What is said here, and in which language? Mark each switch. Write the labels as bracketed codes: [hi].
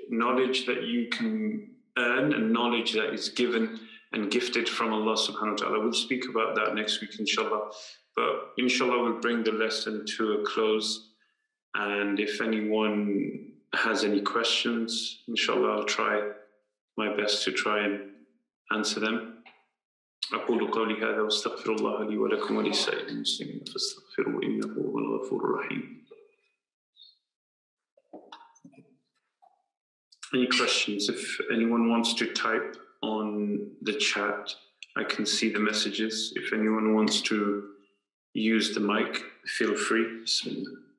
[en] Knowledge that you can earn and knowledge that is given and gifted from Allah subhanahu wa ta'ala. We'll speak about that next week, inshallah. But inshallah, we'll bring the lesson to a close. And if anyone has any questions, inshallah, I'll try my best to try and answer them. [ar] أقول قولي هذا واستغفر الله لي ولكم ولسائر المسلمين فاستغفروا إنه هو الغفور الرحيم. [en] Any questions? If anyone wants to type on the chat, I can see the messages. If anyone wants to use the mic, feel free. Bismillah.